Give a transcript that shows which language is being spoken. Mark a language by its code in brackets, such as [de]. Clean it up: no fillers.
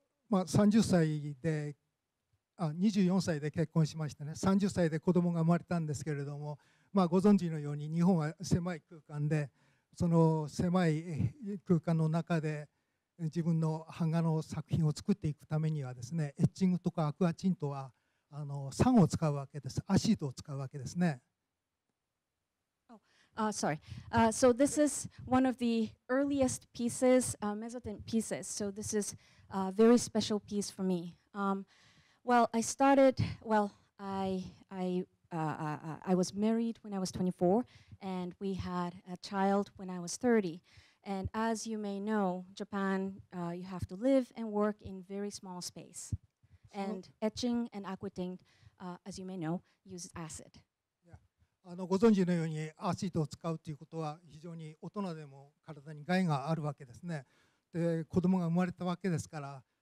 [ja] 24歳で結婚しましたね、30歳で子供が生まれたんですけれども、ご存知のように日本は狭い空間で、その狭い空間の中で自分の版画の作品を作っていくためにはですね、エッチングとかアクアチントは酸を使うわけです、アシードを使うわけですね。 [en] So this is one of the earliest pieces, mezzotint pieces. So this is a very special piece for me. I was married when I was 24 and we had a child when I was 30. And as you may know, Japan, you have to live and work in very small space. And etching and aquatint, as you may know, uses acid. [ja] ご存知のようにアシードを使うということは非常に大人でも体に害があるわけですね。で、子供が生まれたわけですから、